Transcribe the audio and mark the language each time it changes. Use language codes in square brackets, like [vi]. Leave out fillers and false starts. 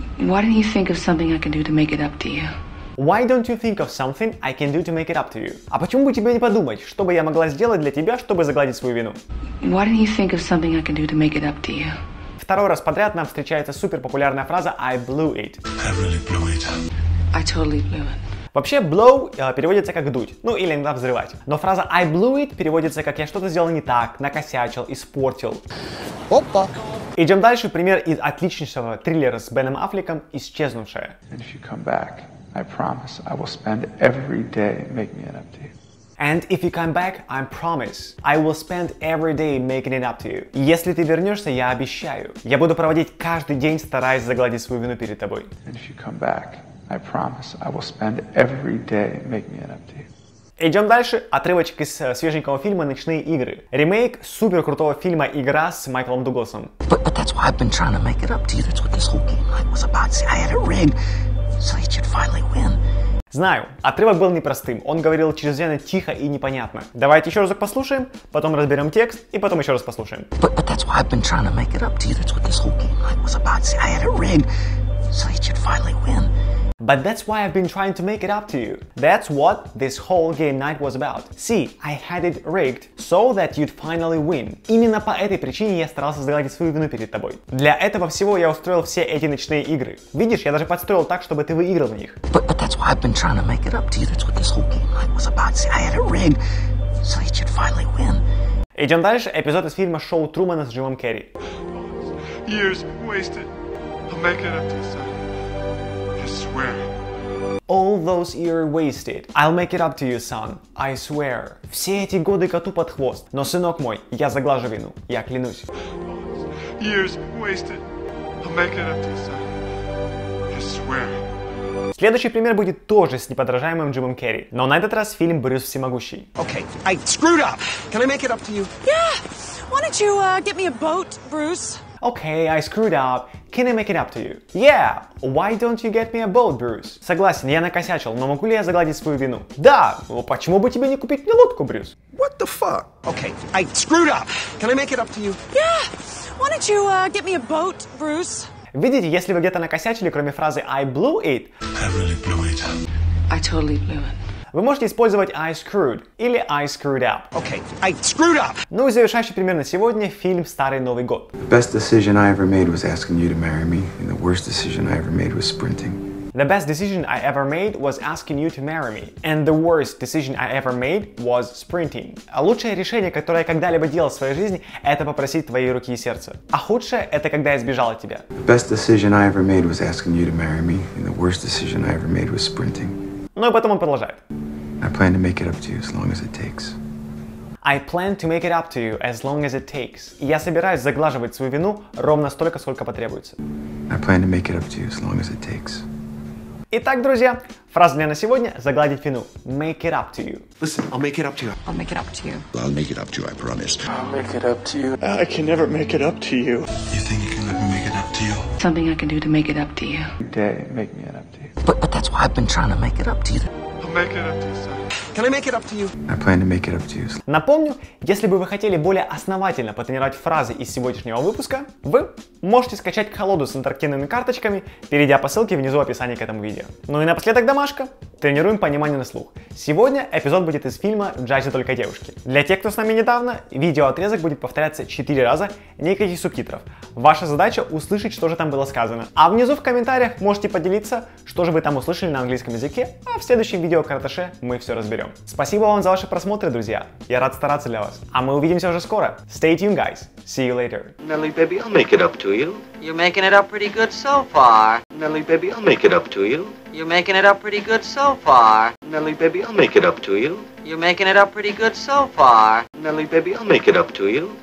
[en] Why don't you think of something I can do to make it up to you? Why don't you think of something I can do to make it up to you? [ru] А почему бы тебе не подумать, что бы я могла сделать для тебя, чтобы загладить свою вину? [en] Why don't you think of something I can do to make it up to you? [ru] Второй раз подряд нам встречается суперпопулярная фраза [en] I blew it. I really blew it. I totally blew it. [ru] Вообще, blow переводится как дуть, ну или иногда взрывать. Но фраза [en] I blew it [ru] переводится как я что-то сделал не так, накосячил, испортил. Опа! Идем дальше, пример из отличнейшего триллера с Беном Аффлеком «Исчезнувшая». [en] And if you come back, I promise I will spend every day making it up to you. And if you come back, I promise I will spend every day making it up to you. [ru] Если ты вернешься, я обещаю. Я буду проводить каждый день, стараясь загладить свою вину перед тобой. [en] And if you come back, I promise I will spend every day making it up to you. [ru] Идем дальше. Отрывочек из свеженького фильма «Ночные игры». Ремейк супер крутого фильма «Игра» с Майклом Дугласом. [en] But that's why I've been trying to make it up to you. That's what this whole game night was about. See, I had it rigged. So you should finally win. [ru] Знаю, отрывок был непростым. Он говорил чрезвычайно тихо и непонятно. Давайте еще разок послушаем, потом разберем текст и потом еще раз послушаем. [en] But that's why I've been trying to make it up to you. That's what this whole game night was about. See, I had it rigged. So you should finally win. But that's why I've been trying to make it up to you. That's what this whole game night was about. See, I had it rigged so that you'd finally win. [ru] Именно по этой причине я старался загладить свою вину перед тобой. Для этого всего я устроил все эти ночные игры. Видишь, я даже подстроил так, чтобы ты выиграл в них. [en] But that's why I've been trying to make it up to you. That's what this whole game night was about. See, I had it rigged so that you'd finally win. [ru] Идем дальше. Эпизод из фильма «Шоу Трумана» с Джимом Керри. [en] Years wasted. I'll make it up to you, son. All those years wasted. I'll make it up to you, son. I swear. [ru] Все эти годы коту под хвост. Но, сынок мой, я заглажу вину. Я клянусь. [en] Years wasted. I'll make it up to you, son. I swear. [ru] Следующий пример будет тоже с неподражаемым Джимом Керри. Но на этот раз фильм «Брюс всемогущий». [en] Okay, I screwed up. Can I make it up to you? Yeah. Why don't you get me a boat, Bruce? Okay, I screwed up. Can I make it up to you? Yeah, why don't you get me a boat, Bruce? [ru] Согласен, я накосячил, но могу ли я загладить свою вину? Да, почему бы тебе не купить мне лодку, Брюс? [en] What the fuck? Okay, I screwed up. Can I make it up to you? Yeah, why don't you get me a boat, Bruce? [ru] Видите, если вы где-то накосячили, кроме фразы [en] I blew it, I really blew it. I totally blew it. [ru] Вы можете использовать I screwed или [en] I screwed up. Okay, I screwed up. [ru] Ну и завершающий пример на сегодня – фильм «Старый Новый год». [en] The best decision I ever made was asking you to marry me, and the worst decision I ever made was sprinting. The best decision I ever made was asking you to marry me, and the worst decision I ever made was sprinting. [ru] А лучшее решение, которое я когда-либо делал в своей жизни – это попросить твои руки и сердце. А худшее – это когда я сбежал от тебя. [en] The best decision I ever made was asking you to marry me, and the worst decision I ever made was sprinting. [ru] Ну и потом он продолжает. [en] I plan to make it up to you as long as it takes. I plan to make it up to you as long as it takes. [ru] Я собираюсь заглаживать свою вину ровно столько, сколько потребуется. [en] I plan to make it up to you as long as it takes. [ru] Итак, друзья, фраза дня на сегодня – загладить вину. [en] Make it up to you. Listen, I'll make it up to you. I'll make it up to you. I'll make it up to you, I promise. I'll make it up to you. I can never make it up to you. You think you can let me make it up to you? Something I can do to make it up to you. Day, make me it up to you. But that's why I've been trying to make it up to you. I'll make it up to you, son. Can I make it up to you? I plan to make it up to you. [ru] Напомню, если бы вы хотели более основательно потренировать фразы из сегодняшнего выпуска, вы можете скачать колоду с интерактивными карточками, перейдя по ссылке внизу в описании к этому видео. Ну и напоследок домашка. Тренируем понимание на слух. Сегодня эпизод будет из фильма «В джазе только девушки». Для тех, кто с нами недавно, видеоотрезок будет повторяться 4 раза, никаких субтитров. Ваша задача – услышать, что же там было сказано. А внизу в комментариях можете поделиться, что же вы там услышали на английском языке, а в следующем видеокараташе мы все разберем. Спасибо вам за ваши просмотры, друзья. Я рад стараться для вас. А мы увидимся уже скоро. [en] Stay tuned, guys. See you later. Nelly, baby, I'll make it up to you. You're making it up pretty good so far. Nelly, baby, I'll make it up to you. You're making it up pretty good so far. Nelly, baby, I'll make it up to you. You're making it up pretty good so far. Nelly, baby, I'll make it up to you.